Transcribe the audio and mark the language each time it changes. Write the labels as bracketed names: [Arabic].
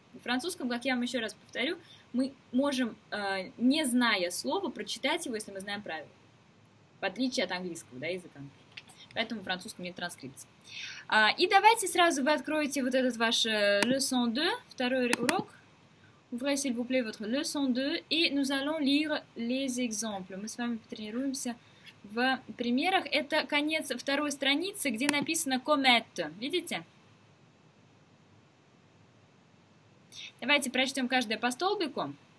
[Russian] В французском, как я вам еще раз повторю, мы можем, не зная слова, прочитать его, если мы знаем правила. В отличие от английского, да, языка. Поэтому в французском нет транскрипции. И давайте сразу вы откроете вот этот ваш leçon 2, второй урок. [French] Ouvrez, s'il vous plaît, votre leçon 2. [Russian] И [French] nous allons lire les exemples. [Russian] Мы с вами потренируемся в примерах. Это конец второй страницы, где написано comète. Видите? Давайте прочтем каждое по столбику.